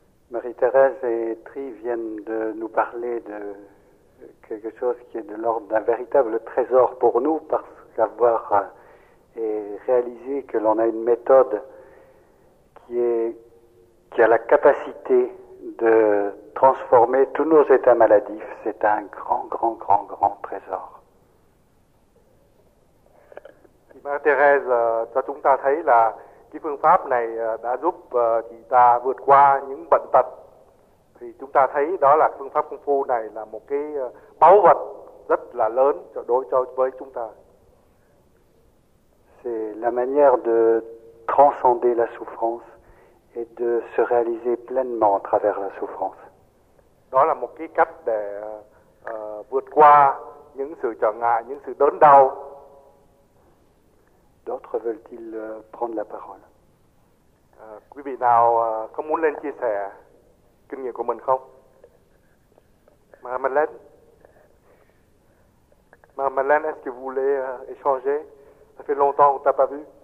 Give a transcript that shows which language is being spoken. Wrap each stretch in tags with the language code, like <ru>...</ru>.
<fr>Marie-Thérèse et Tri viennent de nous parler de quelque chose qui est de l'ordre d'un véritable trésor pour nous, parce qu'avoir réalisé que l'on a une méthode qui a la capacité de transformer tous nos états maladifs, c'est un grand, grand, grand, grand trésor.</fr> <vi>Marie-Thérèse, cho chúng ta thấy là cái phương pháp này đã giúp chị ta vượt qua những bệnh tật, thì chúng ta thấy đó là phương pháp công phu này là một cái báu vật rất là lớn đối với chúng ta.</vi> <fr>C'est la manière de transcender la souffrance et de se réaliser pleinement à travers la souffrance.</fr> <vi>Đó là một cái cách để vượt qua những sự trở ngại, những sự đớn đau.</vi> <fr>D'autres veulent-ils prendre la parole?</fr> <vi>Quý vị nào có muốn lên chia sẻ kinh nghiệm của mình không?</vi> <fr>Madame Madeleine, est-ce que vous voulez échanger? Ça fait longtemps qu'on t'a pas vu.</fr>